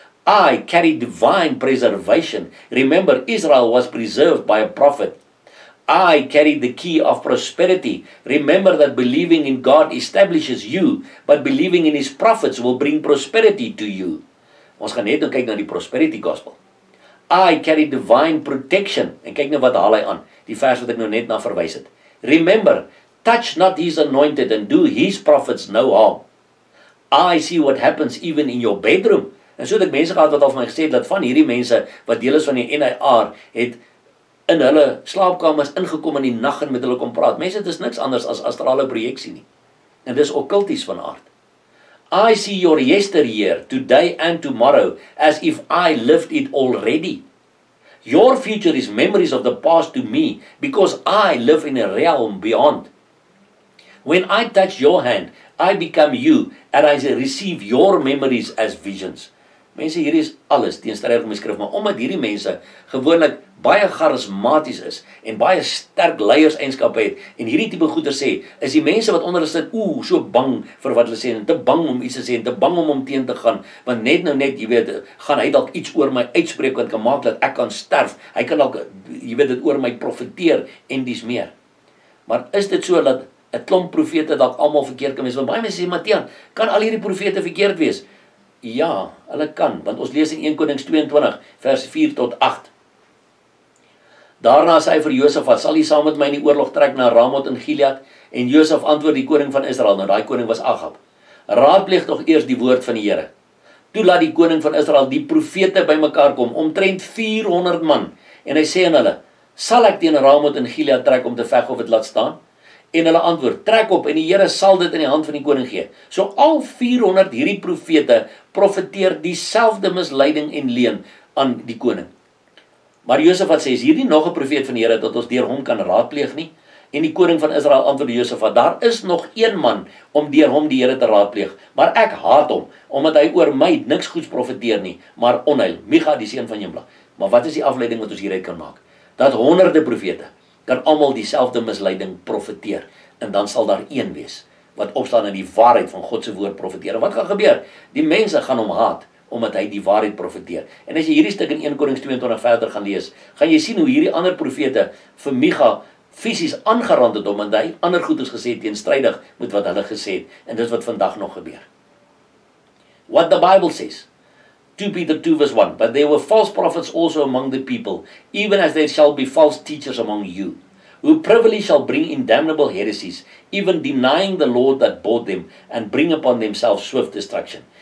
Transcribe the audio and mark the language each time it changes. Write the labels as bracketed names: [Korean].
[English] I carry divine preservation. Remember, Israel was preserved by a prophet. I carry the key of prosperity. Remember that believing in God establishes you, but believing in his prophets will bring prosperity to you. [Afrikaans] Ons gaan net nou kyk na die prosperity gospel. [English] I carry divine protection. [Afrikaans] En kyk nou wat haal hy aan. Die vers wat ek nou net na verwys het. [English] Remember, touch not his anointed and do his prophets no harm. I see what happens even in your bedroom. [Afrikaans] En so het ek mense gehad wat al van my gesê het, dat van hierdie mense wat deel is van die N.A.R. het in hulle slaapkamers ingekom in die nag en met hulle kom praat. Mense, het is niks anders as astrale projectie nie. En dis okkulties van aard. [English] I see your yesteryear, today and tomorrow, as if I lived it already. Your future is memories of the past to me, because I live in a realm beyond. When I touch your hand, I become you, and I receive your memories as visions. [Afrikaans] Mense, hier is alles teenstrijdig om die skrif, maar omdat hierdie mense gewoonlik baie charismaties is, en baie sterk leierseienskappe het, en hierdie type goeder sê, is die mense wat onder hulle sit, so bang vir wat hulle sê, en te bang om iets te sê, en te bang om teen te gaan, want net nou net, jy weet, gaan hy dalk iets oor my uitspreek, wat kan maak dat ek kan sterf, hy kan dalk, jy weet, het oor my profeteer, en dies meer. Maar is dit so, dat een klomp profete dalk allemaal verkeerd kan wees, want baie mense sê, Matthias, kan al hierdie profete verkeerd wees? Ja, hulle kan, want ons lees in 1 Konings 22, vers 4 tot 8. Daarna sê vir Josef, wat sal hy saam met my in die oorlog trek na Ramot en Gilead? En Josef antwoord die koning van Israel, nou die koning was Agab. Raadpleeg toch eerst die woord van die Here. Toe laat die koning van Israel die profete by mekaar kom, omtrent 400 man. En hy sê aan hulle, sal ek teen Ramot en Gilead trek om te veg of het laat staan? En hulle antwoord, trek op en die Here sal dit in die hand van die koning gee. So al 400 hierdie profete profeteer dieselfde misleiding en leen aan die koning. Maar Josef wat sê, is hier nie nog een profeet van die Here dat ons deur hom kan raadpleeg nie? En die koning van Israel antwoord Josef wat, daar is nog een man om deur hom die Here te raadpleeg, maar ek haat hom, omdat hy oor my niks goeds profeteer nie, maar onheil, Micha die seun van Jimla. Maar wat is die afleiding wat ons hieruit kan maak? Dat honderde profete kan allemaal diezelfde misleiding profeteer, en dan sal daar een wees, wat opstaan in die waarheid van Godse woord profeteer. En wat gaan gebeur? Die mense gaan hom haat, omdat hy die waarheid profeteer. En as jy hierdie stuk in 1 Konings 22 verder gaan lees, gaan jy sien hoe hierdie ander profete vir Micha fisies aangerand het om, en hy ander goeders gesê teenstrijdig met wat hulle gesê het, en dis wat vandag nog gebeur. [English] What the Bible says, 2 Peter 2 verse 1, but there were false prophets also among the people, even as there shall be false teachers among you, who privily shall bring in damnable heresies, even denying the Lord that bought them, and bring upon themselves swift destruction.